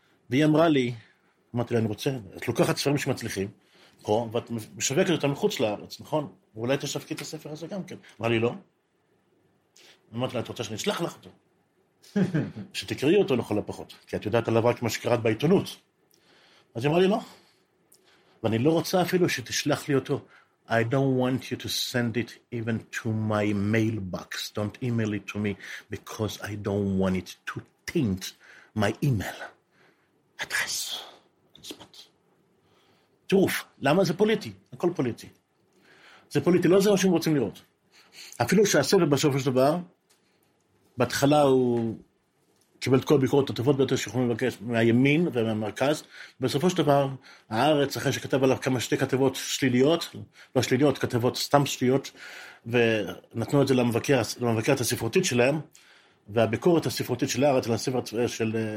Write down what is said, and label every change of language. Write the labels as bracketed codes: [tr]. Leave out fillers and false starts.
[he] והיא אמרה לי, אמרתי לה, אני רוצה, את לוקחת ספרים שמצליחים פה, ואת משווקת אותם מחוץ לארץ, נכון? ואולי תשווקי את הספר הזה גם כן. אמרה לי, לא. אמרתי לה, את רוצה שאני אשלח לך אותו. שתקראי אותו לכל הפחות, כי את יודעת עליו רק מה שקראת בעיתונות. אז היא אמרה לי, לא. ואני לא רוצה אפילו שתשלח לי אותו. [en] I don't want you to send it even to my mailbox. Don't email it to me, because I don't want it to taint my email address. [he] טירוף, למה זה פוליטי? הכל פוליטי. זה פוליטי, לא זה מה שהם רוצים לראות. אפילו שהספר בסופו של דבר, בהתחלה הוא קיבל את כל הביקורות הטובות ביותר שיכולים לבקש מהימין ומהמרכז, בסופו של דבר, הארץ, אחרי שכתב עליו כמה שתי כתבות שליליות, לא שליליות, כתבות סתם שליליות, ונתנו את זה למבקר, למבקרת הספרותית שלהם, והביקורת הספרותית של הארץ, לספר של